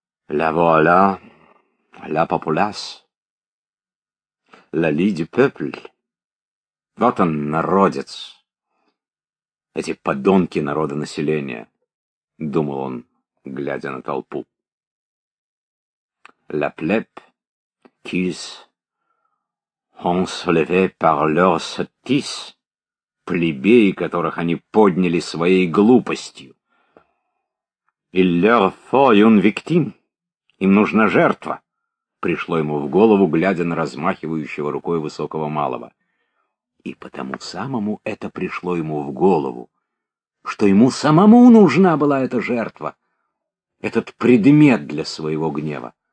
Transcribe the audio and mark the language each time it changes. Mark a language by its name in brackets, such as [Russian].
[French] «La voilà, la populace, la lie du peuple. [Russian] Вот он, народец, эти подонки народонаселения», — думал он, глядя на толпу. [French] «La plèbe, qu'ils ont soulevé par leur sottise, [Russian] плебеи, которых они подняли своей глупостью. [French] Il leur faut une victime. [Russian] Им нужна жертва», — пришло ему в голову, глядя на размахивающего рукой высокого малого. И потому самому это пришло ему в голову, что ему самому нужна была эта жертва, этот предмет для своего гнева.